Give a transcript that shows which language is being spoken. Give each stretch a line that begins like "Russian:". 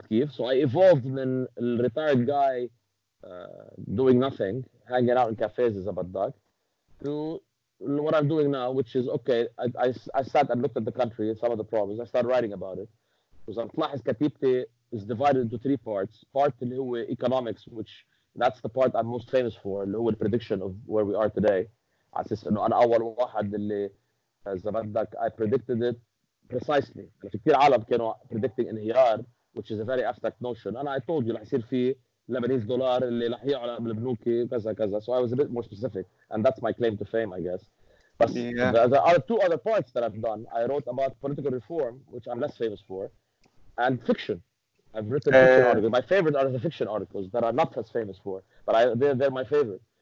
English: So I evolved from a retired guy doing nothing, hanging out in cafes as a bad dog, to what I'm doing now, which is, okay, I sat and looked at the country and some of the problems. I started writing about it. Because I'm glad Katipte is divided into three parts. Part in economics, which that's the part I'm most famous for, the prediction of where we are today.
Arabic: على أساس إنه أنا أول واحد اللي زبدك
English: I predicted it precisely.
Arabic: في كتير عالم كانوا
English: predicting
Arabic: انهيار
English: which is a very abstract notion.
Arabic: أنا
English: I told you
Arabic: رح يصير في لبنانيز دولار اللي رح يعلى من البنوك كذا كذا.
English: So I was a bit more specific and that's my claim to fame I guess. But yeah. There are two other parts that I've done. I wrote about political reform which I'm less famous for and fiction. I've written fiction articles. My favorite are the fiction articles that I'm not as famous for, but they're my favorite.